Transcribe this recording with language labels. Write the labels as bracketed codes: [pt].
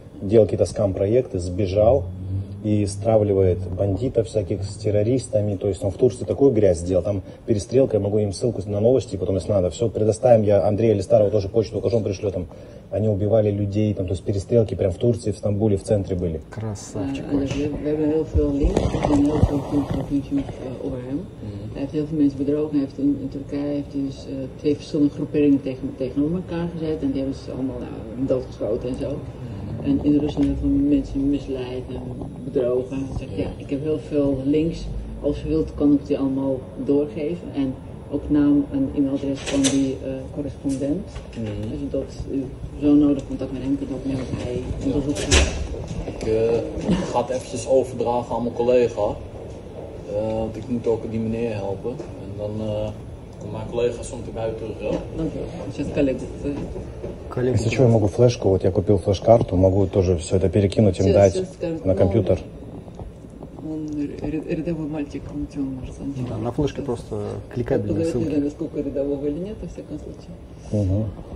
[ru] делал какие-то скам-проекты, сбежал и стравливает бандитов всяких с террористами. То есть он в Турции такую грязь сделал, там перестрелка, я могу им ссылку на новости, потом если надо, все, предоставим, я Андрея Листарова тоже почту укажу, он пришлет там. Они убивали людей, там, то есть перестрелки прям в Турции, в Стамбуле, в центре были. Красавчик. [nl] Hij heeft heel veel mensen bedrogen. Hij heeft in Turkije heeft dus twee verschillende groeperingen tegenover elkaar gezet. En die hebben ze allemaal doodgeschoten en zo. En in Rusland heeft hij mensen misleid en bedrogen. Hij zegt, ja, ik heb heel veel links. Als je wilt, kan ik die allemaal doorgeven. En ook naam en e-mailadres van die correspondent. Mm-hmm. Dus dat u zo nodig contact met hem kunt opnemen dat hij onderzoek doet. Ja. Ik ga het eventjes overdragen aan mijn collega. Want ik moet ook die meneer helpen. En dan komt mijn collega soms erbij terug. Ja, dankjewel. Ik zet het [ru] коллеги. Если что, я могу флешку, вот я купил флеш-карту, могу тоже все это перекинуть им, все, дать, все, скажем, на компьютер. Он рядовой мальчик, он тебе может сам делать. Да, на флешке просто кликабельные говорит, ссылки. Не знаю, насколько рядового или нет, во всяком случае. Угу.